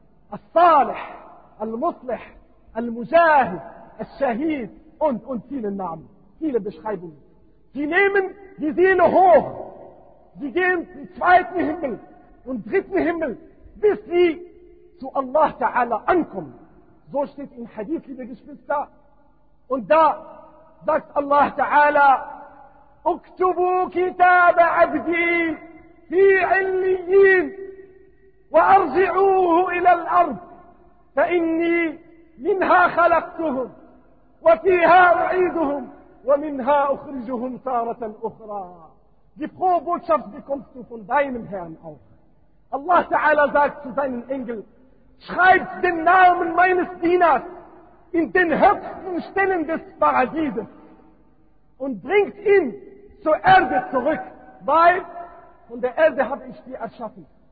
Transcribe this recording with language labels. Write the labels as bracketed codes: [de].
[de] As-Salih, Al-Muslih, Al-Mujahid, Al-Shahid und viele Namen, viele Beschreibungen. Sie nehmen die Seele hoch. Sie gehen zum zweiten Himmel und dritten Himmel, bis sie zu Allah Ta'ala ankommen. So steht im Hadith, liebe Geschwister. Und da sagt Allah Ta'ala, [ar] اكتبوا كتاب عبدي في عليين وارجعوه الى الارض فاني منها خلقتهم وفيها اعيدهم ومنها اخرجهم تاره اخرى. [de] Die frohe Botschaft bekommst du von deinem Herrn auf. Allah Ta'ala sagt zu seinen Engel, schreibt den Namen meines Dieners in den höchsten Stellen des Paradieses und bringt ihn zur Erde zurück, weil von der Erde habe ich sie erschaffen.